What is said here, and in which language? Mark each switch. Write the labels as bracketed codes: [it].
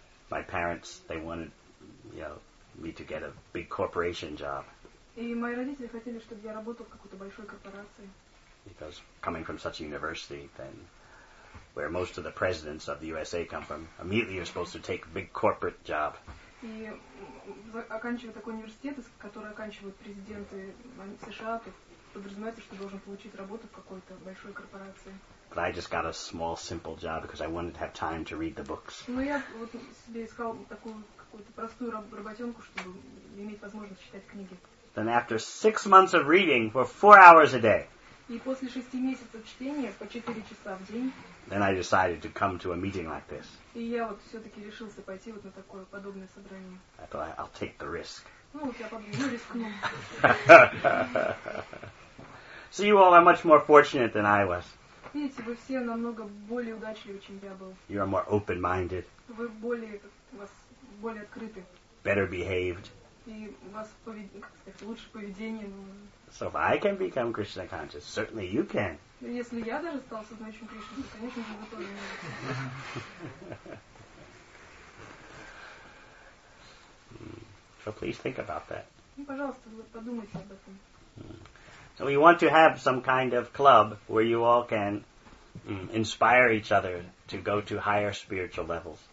[en] My parents, they wanted, you know, me to get a big corporation job. [ru] И мои родители хотели, чтобы я работал в какой-то большой корпорации. [en] Because coming from such a university, then where most of the presidents of the USA come from, immediately you're supposed to take a big corporate job. [ru] И оканчивая такой университет, из которого оканчивают президенты США, то подразумевается, что должен получить работу в какой-то большой корпорации. [en] But I just got a small, simple job because I wanted to have time to read the books. [ru] Ну я вот себе искал такую какую-то простую работенку, чтобы иметь возможность читать книги. [en] Then after 6 months of reading for 4 hours a day. [ru] И после 6 месяцев чтения по 4 часа в день. [en] Then I decided to come to a meeting like this. [ru] И я вот все-таки решился пойти вот на такое подобное собрание. [en] I thought I'll take the risk. [ru] Ну вот я подумал, рискну. [en] So you all are much more fortunate than I was. [ru] Видите, вы все намного более удачливы, чем я был. [en] You are more open-minded. [ru] Вы более, вас более открыты. [en] Better behaved. [ru] И у вас лучше поведение. [en] So if I can become Krishna conscious, certainly you can. [ru] Если я даже стал сознающим Кришной, то, конечно же, вы тоже можете. [en] So please think about that. [ru] Ну, пожалуйста, подумайте об этом. [en] So we want to have some kind of club where you all can inspire each other to go to higher spiritual levels.